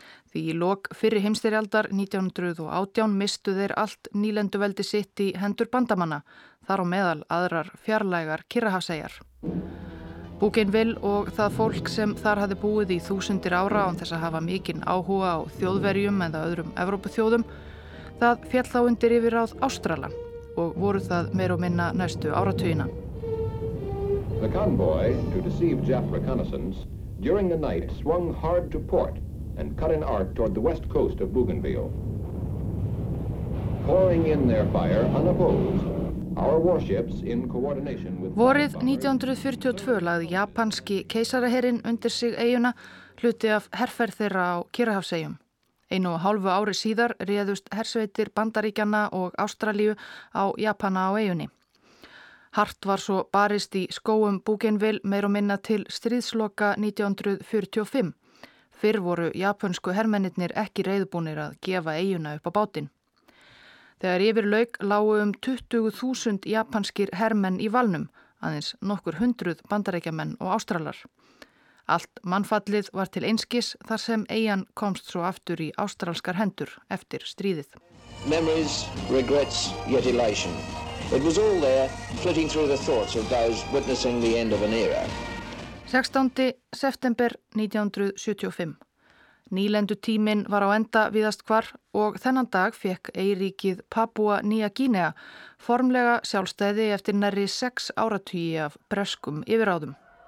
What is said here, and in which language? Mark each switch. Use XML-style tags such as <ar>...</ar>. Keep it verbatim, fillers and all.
<is>Því í lok fyrri heimstyrjaldar nítján átján mistu þeir allt nýlenduveldi sitt í hendur bandamanna, þar á meðal aðrar fjarlægar Kyrrahafseyjar. Bougainville og það fólk sem þar hafði búið í þúsundir ára án þess að hafa mikinn áhuga á Þjóðverjum eða öðrum Evrópuþjóðum, það féll þá undir yfirráð Ástrala og voru það meir og minna næstu áratugina.</is> <en>The convoy, to deceive Jap reconnaissance, during the night swung hard to port and cut an arc toward the west coast of Bougainville. Pouring in their fire unopposed, our warships in coordination with...</en> <is>Vorið nítján fjörutíu og tvö lagði japanski keisaraherinn undir sig eyjuna hluti af herferð þeirra á Kyrrahafseyjum. Einu og hálfu ári síðar réðust hersveitir Bandaríkjanna og Ástralíu á Japana á eyjunni. Hart var svo barist í skóum Bougainville meir og minna til stríðsloka nítján fjörutíu og fimm. Fyrr voru japönsku hermennirnir ekki reiðbúnir að gefa eyjuna upp á bátinn. Þegar yfir lauk lágu um tuttugu þúsund japanskir hermenn í valnum, aðeins nokkur hundruð bandarækjamenn og ástralar. Allt mannfallið var til einskis þar sem eyjan komst svo aftur í ástralskar hendur eftir stríðið.</is> <en>Memories, regrets, yet elation. It was all there, flitting through the thoughts of those witnessing the end of an era.</en> <is>sextánda september nítján sjötíu og fimm. Nýlendu tíminn var á enda víðast hvar og þennan dag fekk eyríkið Papúa Nýja Gínea formlega sjálfstæði eftir nærri sex áratugi af breskum yfirráðum.</is>